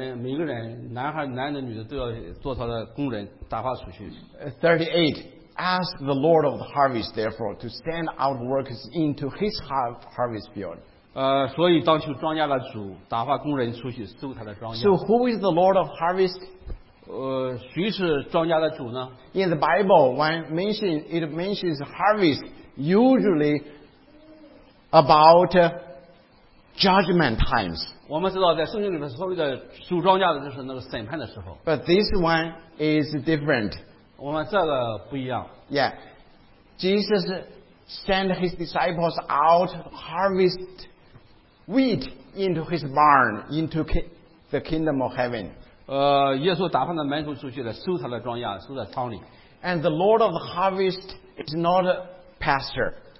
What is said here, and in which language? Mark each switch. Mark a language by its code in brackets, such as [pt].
[zh] 从那时开始，每个人男孩、男的、女的都要做他的工人， 打发出去。 [en] 38, ask the Lord of the harvest, therefore, to send out workers into his harvest field. [zh] 所以当求庄稼的主打发工人出去收他的庄稼。 [en] So who is the Lord of harvest? [zh] 谁是庄稼的主呢？ [en] In the Bible, when it mentions harvest, usually about judgment times. [zh] 我们知道在圣经里面所谓的收庄稼的就是那个审判的时候。 [en] But this one is different. [zh] 我们这个不一样。Yeah. [en] Jesus sent his disciples out harvest wheat into his barn, into the kingdom of heaven. [zh] 耶稣打发的门徒出去了，收他的庄稼，收在仓里。 [en] And the Lord of the harvest is not a pastor.